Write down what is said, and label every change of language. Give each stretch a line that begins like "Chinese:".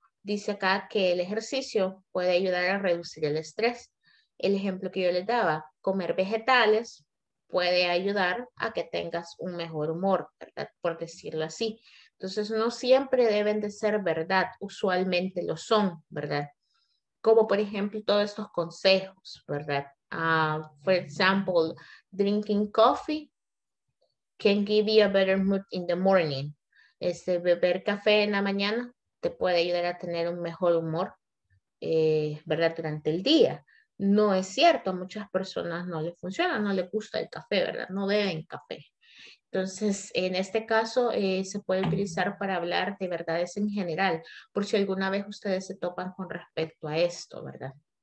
Spanish: Dice acá que el ejercicio puede ayudar a reducir el estrés. El ejemplo que yo les daba, comer vegetales puede ayudar a que tengas un mejor humor, ¿verdad? Por decirlo así. Entonces, no siempre deben de ser verdad, usualmente lo son, ¿verdad? Como por ejemplo, todos estos consejos, ¿verdad?
English: For example, drinking coffee can give you a better mood in the morning.
Spanish: Beber café en la mañana te puede ayudar a tener un mejor humor, ¿verdad? Durante el día. No es cierto, a muchas personas no les funciona, no les gusta el café, ¿verdad? No beben café. Entonces, en este caso, se puede utilizar para hablar de verdades en general, por si alguna vez ustedes se topan con respecto a esto, ¿verdad?